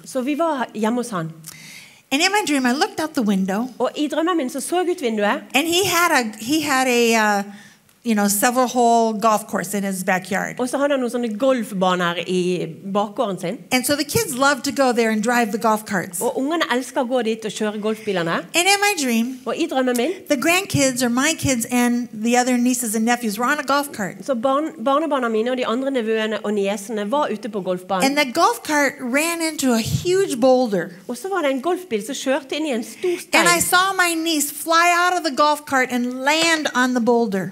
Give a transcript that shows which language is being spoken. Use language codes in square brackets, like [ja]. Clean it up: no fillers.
[no] Så vi var hjemme hos han. [en] And in my dream, I looked out the window. [no] Og i drømmen min så jeg ut vinduet. [en] And he had a you know, several hole golf course in his backyard. [no] Og så har han noen sånne golfbaner I bakgården sin. [en] And so the kids love to go there and drive the golf carts. [no] Og ungene elsker å gå dit og kjøre golfbilene. [en] And in my dream, [no] og I drømmen min, [en] the grandkids or my kids and the other nieces and nephews were on a golf cart. [no] Så barnebarna mine og de andre nevøene og niesene var ute på golfbanen. [en] And the golf cart ran into a huge boulder. [no] Og så var det en golfbil som kjørte inn I en stor stein. [en] And I saw my niece fly out of the golf cart and land on the boulder.